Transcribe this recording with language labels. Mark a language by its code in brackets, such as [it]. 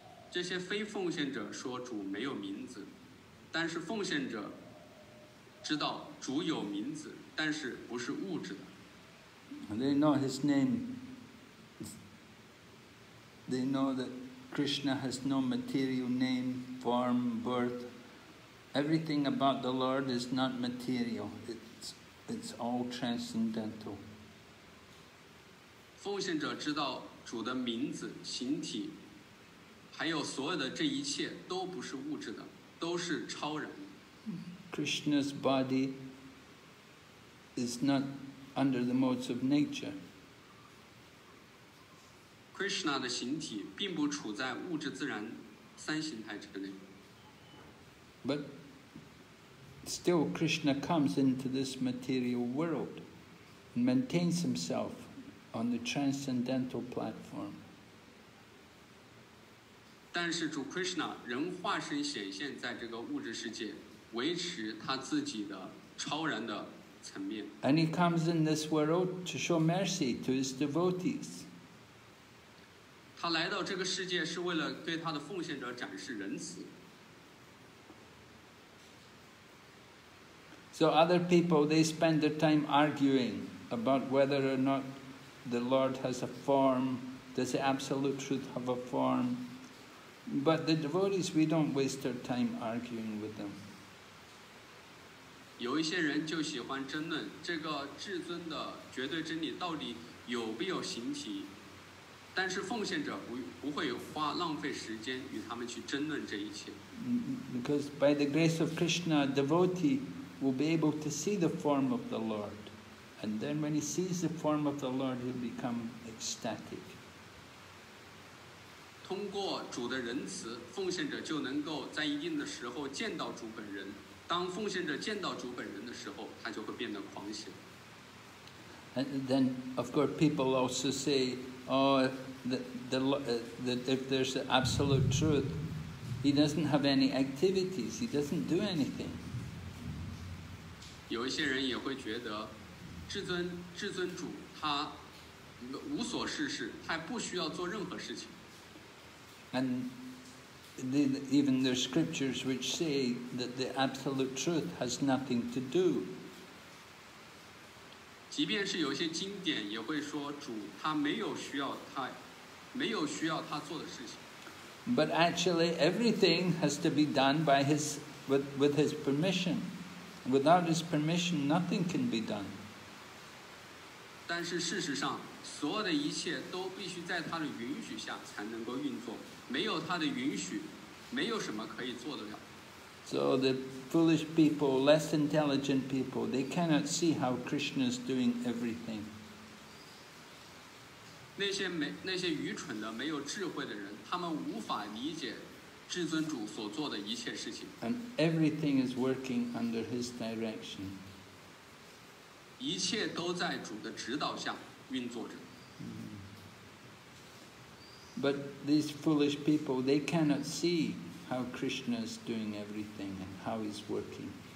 [zh] 这些非奉献者说主没有名字。但是奉献者知道主有名字，但是不是物质的。 [en] They know his name. They know that Krishna has no material name, form, birth. Everything about the Lord is not material. It's all transcendental. [zh] 奉献者知道主的名字、形体，还有所有的这一切都不是物质的。都是超然。 [en] Krishna's body is not under the modes of nature. [zh] Krishna 的形体并不处在物质自然三形态之内。 [en] But still, Krishna comes into this material world and maintains himself on the transcendental platform. [zh] 但是主 Krishna 仍化身显现在这个物质世界，维持他自己的超然的层面。 [en] And he comes in this world to show mercy to his devotees. [zh] 他来到这个世界是为了对他的奉献者展示仁慈。 [en] So other people, they spend their time arguing about whether or not the Lord has a form. Does the absolute truth have a form? But the devotees, we don't waste our time arguing with them. [zh] 有一些人就喜欢争论这个至尊的绝对真理到底有没有形体，但是奉献者 不会花浪费时间与他们去争论这一切。 [en] Because by the grace of Krishna, a devotee will be able to see the form of the Lord, and then when he sees the form of the Lord, he'll become ecstatic. [zh] 通过主的仁慈，奉献者就能够在一定的时候见到主本人。当奉献者见到主本人的时候，他就会变得狂喜。 [en] And then, of course, people also say, "Oh, if there's the absolute truth, he doesn't have any activities. He doesn't do anything." [zh] 有一些人也会觉得，至尊主他无所事事，他不需要做任何事情。 [en] And even there are scriptures which say that the absolute truth has nothing to do. [zh] 即便是有些经典也会说主他没有需要他做的事情。 [en] But actually, everything has to be done by with his permission. Without his permission, nothing can be done. [zh] 但是事实上，所有的一切都必须在他的允许下才能够运作。没有他的允许，没有什么可以做得了。 [en] So the foolish people, less intelligent people, they cannot see how Krishna is doing everything. [zh] 那些愚蠢的、没有智慧的人，他们无法理解至尊主所做的一切事情。 [en] And everything is working under his direction. [zh] 一切都在主的指导下运作着。 [en] But these foolish people, they cannot see how Krishna is doing everything and how he's working.